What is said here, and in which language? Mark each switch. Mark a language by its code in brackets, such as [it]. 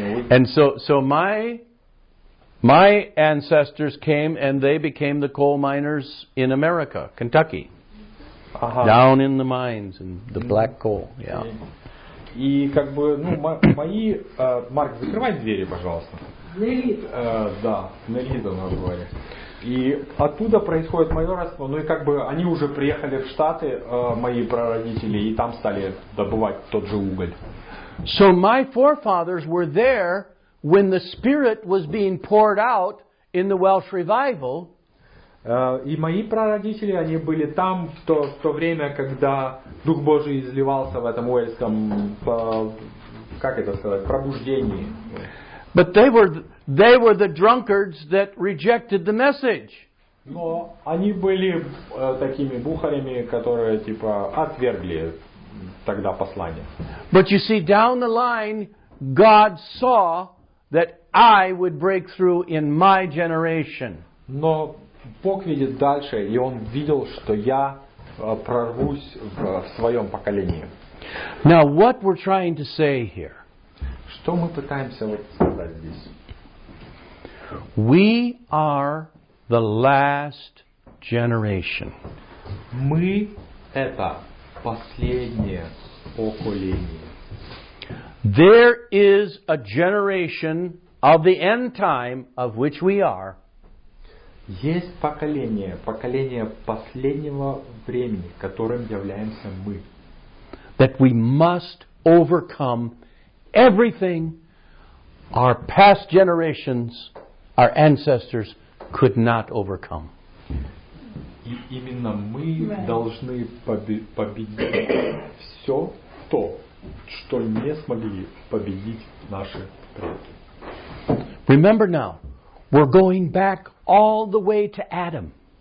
[en] And so my ancestors came and they became the coal miners in America, Kentucky. Uh-huh. Down in the mines and the black coal. Yeah. [ru] И как бы, ну, мои... Марк, закрывай двери, пожалуйста. Нелит. Да, Нелит она говорит. И оттуда происходит мое родство. Ну и как бы они уже приехали в Штаты, мои прародители, и там стали добывать тот же уголь. [en] So my forefathers were there when the Spirit was being poured out in the Welsh Revival. [ru] И мои прародители, они были там в то время, когда Дух Божий изливался в этом уэльском, как это сказать, пробуждении. [en] But they were the drunkards that rejected the message. [ru] Но они были такими бухарями, которые типа отвергли тогда послание. [en] But you see, down the line, God saw that I would break through in my generation. [ru] Но Бог видит дальше, и он видел, что я прорвусь в своем поколении. [en] Now, what we're trying to say here? [ru] Что мы пытаемся вот сказать здесь? [en] We are the last generation. [ru] Мы это последнее поколение. [en] There is a generation of the end time of which we are. [ru] Есть поколение последнего времени, которым являемся мы. [en] That we must overcome everything our past generations, our ancestors could not overcome. [ru] И именно мы должны победить все то, что не смогли победить наши предки. [en] Remember now, we're going back all the way to Adam.